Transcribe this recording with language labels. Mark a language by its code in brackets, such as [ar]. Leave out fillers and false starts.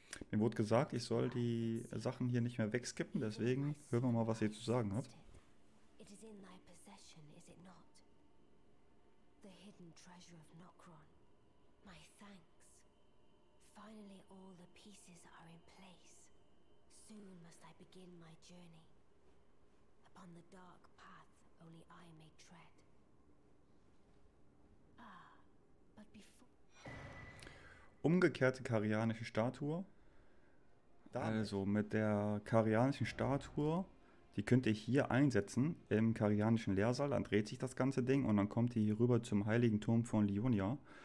[de] Mir wurde gesagt, ich soll die Sachen hier nicht mehr wegskippen, deswegen hören wir mal, was ihr zu sagen habt. Es ist in deiner Possession, ist es nicht? Der [en] hidden treasure of [de] Nokron. Mein Dank. [en] Finally, all the pieces are in place. Soon must I begin my journey. Upon the dark path only I may tread. Ah, but before. [de] Umgekehrte karianische Statue. Also mit der karianischen Statue, die könnt ihr hier einsetzen im karianischen Lehrsaal. Dann dreht sich das ganze Ding und dann kommt ihr hier rüber zum Heiligen Turm von Lyonia.